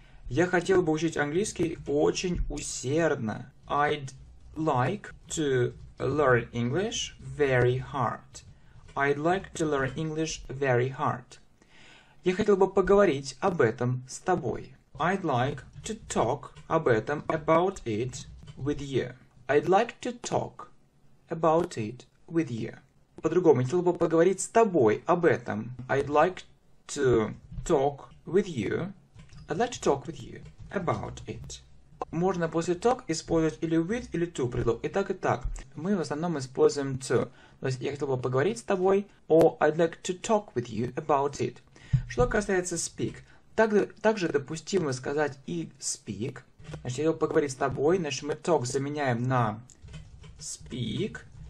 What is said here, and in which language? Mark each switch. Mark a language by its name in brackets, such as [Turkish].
[Russian] Я хотел бы учить английский очень усердно. [English] I'd like to learn English very hard. I'd like to learn English very hard. [Russian] Я хотел бы поговорить об этом с тобой. [English] I'd like to talk [Russian] об этом [English] about it with you. I'd like to talk about it with you. [Russian] По-другому, я хотел бы поговорить с тобой об этом. [English] I'd like to talk with you. I'd like to talk with you about it. [Russian] Можно после talk использовать или with, или to предлог. И так. Мы в основном используем to. То есть, я хотел бы поговорить с тобой, [English] or I'd like to talk with you about it. [Russian] Что касается speak, также допустимо сказать и speak. Значит, я хотел поговорить с тобой, значит, мы talk заменяем на speak.